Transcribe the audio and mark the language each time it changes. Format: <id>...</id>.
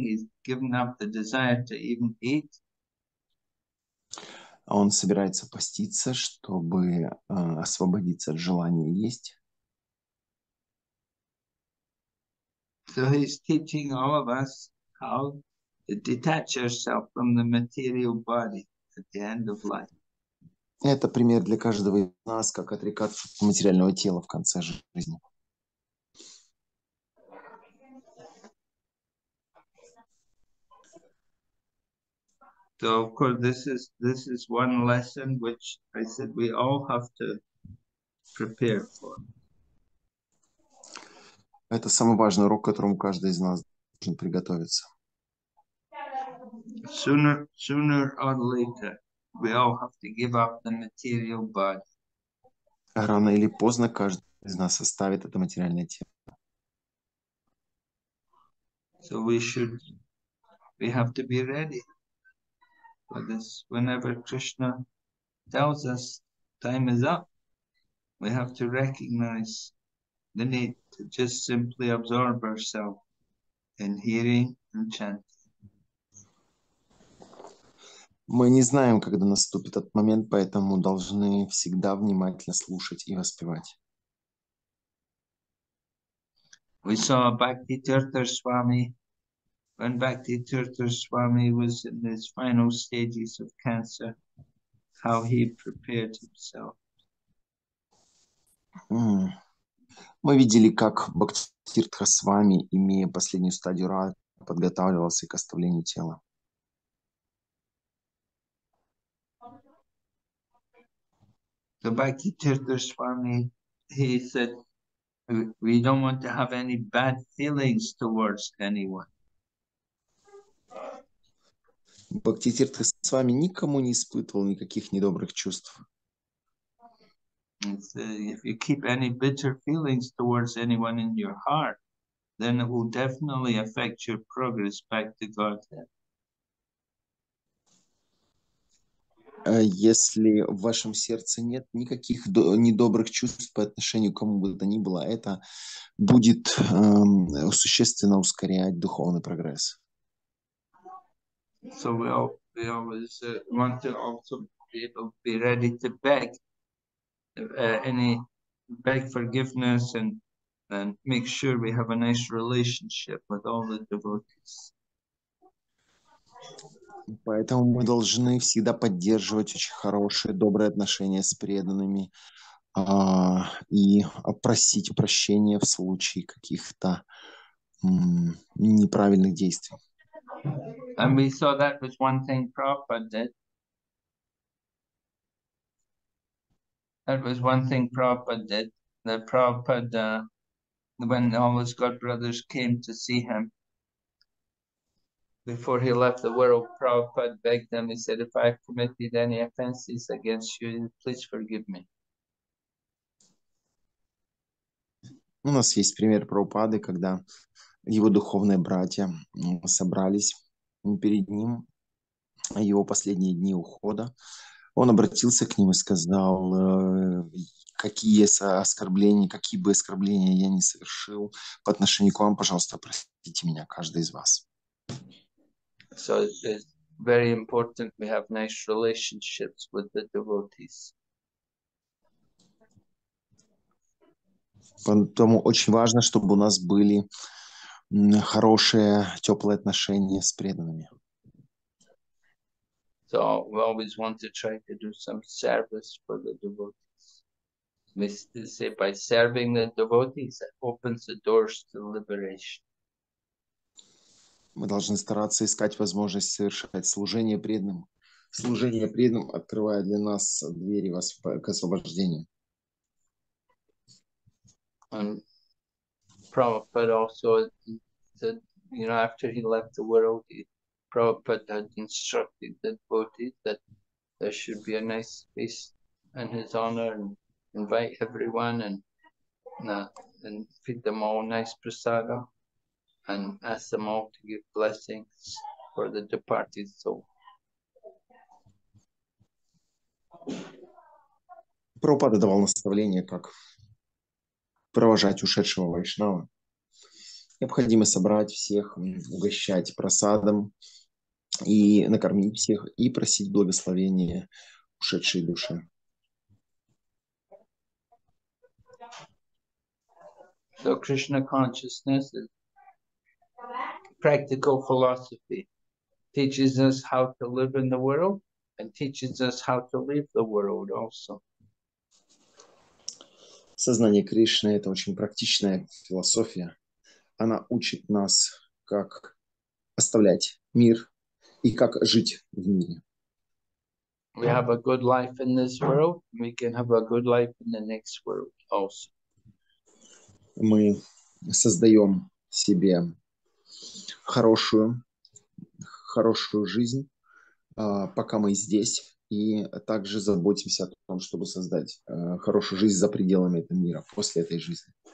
<en>He's given up the desire to even eat.</en> <ru>Он собирается поститься, чтобы освободиться от желания есть.</ru> <en>So he's teaching all of us how to detach ourselves from the material body at the end of life.</en> <ru>Это пример для каждого из нас, как отрекаться от материального тела в конце жизни.</ru> <en>So of course this is one lesson which I said we all have to prepare for.</en> <ru>Это самый важный урок, к которому каждый из нас должен приготовиться.</ru> <en>Sooner or later we all have to give up the material body.</en> <ru>Рано или поздно каждый из нас оставит это материальное тело.</ru> <en>So we have to be ready. But this, whenever Krishna tells us time is up, we have to recognize the need to just simply absorb ourselves in hearing and chanting.</en> <ru>Мы не знаем, когда наступит этот момент, поэтому должны всегда внимательно слушать и воспевать.</ru> <en>We saw Bhakti Tirthar Swami. When Bhakti Tirthar Swami was in his final stages of cancer, how he prepared himself.</en> <ru>Мы видели, как Бхакти Тиртха Свами, имея последнюю стадию рака, подготавливался к оставлению тела.</ru> <en>So Bhakti Tirthar Swami, he said, we don't want to have any bad feelings towards anyone.</en> <ru>Бхакти Тиртха Свами никому не испытывал никаких недобрых чувств.</ru> <en>If you keep any bitter feelings towards anyone in your heart, then it will definitely affect your progress back to Godhead.</en> <ru>Если в вашем сердце нет никаких недобрых чувств по отношению к кому бы то ни было, это будет существенно ускорять духовный прогресс.</ru> <en>So we always want to also be able to be ready to beg forgiveness and make sure we have a nice relationship with all the devotees.</en> <ru>Поэтому мы должны всегда поддерживать очень хорошие, добрые отношения с преданными и просить прощения в случае каких-то неправильных действий.</ru> <en>And we saw that was one thing Prabhupada did. That Prabhupada, when all his god brothers came to see him, before he left the world, Prabhupada begged them, he said, if I've committed any offenses against you, please forgive me.</en> <ru>У нас есть пример Прабхупады, когда его духовные братья собрались перед ним, его последние дни ухода, он обратился к ним и сказал, какие оскорбления, какие бы оскорбления я ни совершил по отношению к вам, пожалуйста, простите меня, каждый из вас.</ru> <en>So it's very important we have nice relationships with the devotees.</en> <ru>Поэтому очень важно, чтобы у нас были хорошие, теплые отношения с преданными.</ru> <en>So we always want to try to do some service for the devotees. We say by serving the devotees, it opens the doors to liberation.</en> <ru>Мы должны стараться искать возможность совершать служение преданным. Служение преданным открывает для нас двери к освобождению.</ru> <en>And Prabhupada also said, you know, after he left the world, Prabhupada had instructed the devotees that there should be a nice space in his honor and invite everyone and feed them all nice prasadam. And ask them all to give blessings for the departed soul.</en> <ru>Прабхупада давал наставление, как провожать ушедшего вайшнава. Необходимо собрать всех, угощать просадом и накормить всех и просить благословения ушедшей души.</ru> <en>So Krishna consciousness is practical philosophy teaches us how to live in the world and teaches us how to leave the world also.</en> <ru>Сознание Кришны – это очень практичная философия. Она учит нас, как оставлять мир и как жить в мире.</ru> <en>We have a good life in this world. We can have a good life in the next world also.</en> <ru>Мы создаем себе хорошую жизнь, пока мы здесь, и также заботимся о том, чтобы создать хорошую жизнь за пределами этого мира, после этой жизни.</ru>